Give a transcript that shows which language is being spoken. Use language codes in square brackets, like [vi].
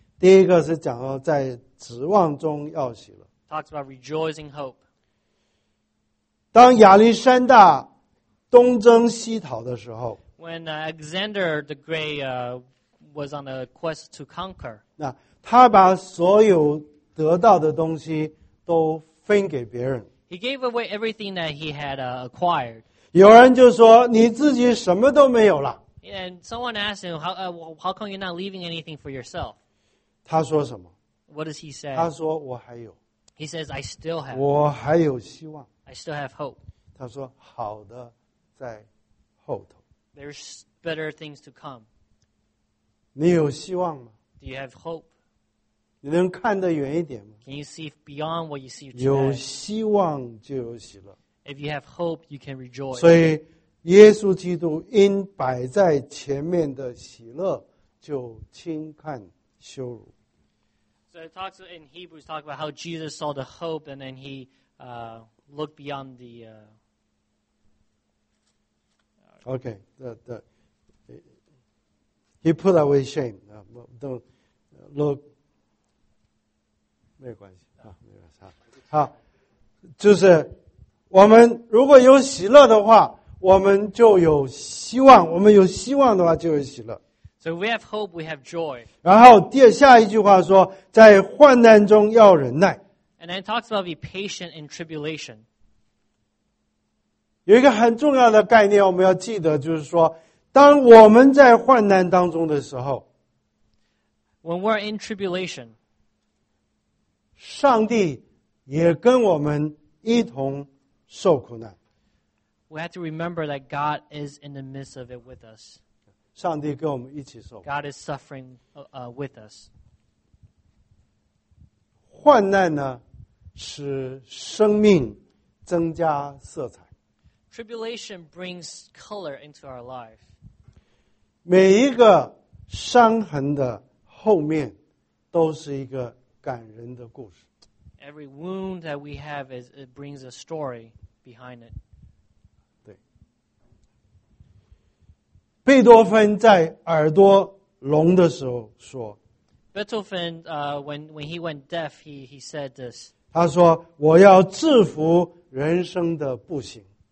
[zh] 第一个是讲到在指望中要喜乐。 [en] Talks about rejoicing hope. [zh] 当亚历山大东征西讨的时候 [en] ，When Alexander the Great was on a quest to conquer, [zh] 那他把所有得到的东西都分给别人。 [en] He gave away everything that he had acquired. [zh] 有人就说你自己什么都没有了。 [en] And someone asked him, "How come you're not leaving anything for yourself?" [zh] 他说什么 [en] ？What does he say? [zh] 他说我还有。 [en] He says, I still have hope. [zh] 我还有希望。 [en] I still have hope. [zh] 他说好的在后头。 [en] There's better things to come. [zh] 你有希望吗？ [en] Do you have hope? [zh] 你能看得远一点吗？ [en] Can you see beyond what you see today? [zh] 有希望就有喜乐。 [en] If you have hope, you can rejoice. [zh] 所以耶稣基督因摆在前面的喜乐就轻看羞辱。 [en] So it talks in Hebrews, talk about how Jesus saw the hope and then he looked beyond the... Okay. He put away shame. Don't look... [zh] 没关系。没关系。好。就是我们如果有喜乐的话我们就有希望。我们有希望的话就有喜乐。 [en] So we have hope, we have joy. [zh] 然后下一句话说在患难中要忍耐。 [en] And then it talks about be patient in tribulation. [zh] 有一个很重要的概念我们要记得就是说当我们在患难当中的时候 [en] When we're in tribulation, [zh] 上帝也跟我们一同受苦难。 [en] We have to remember that God is in the midst of it with us. [zh] 上帝跟我们一起受苦。 [en] God is suffering with us. [zh] 患难呢，使生命增加色彩。 [en] Tribulation brings color into our life. [zh] 每一个伤痕的后面都是一个感人的故事。 [en] Every wound that we have, it brings a story behind it. [zh] 对。贝多芬在耳朵聋的时候说 [en] Beethoven, when he went deaf, he said this. [zh] 他说我要制服人生的不幸。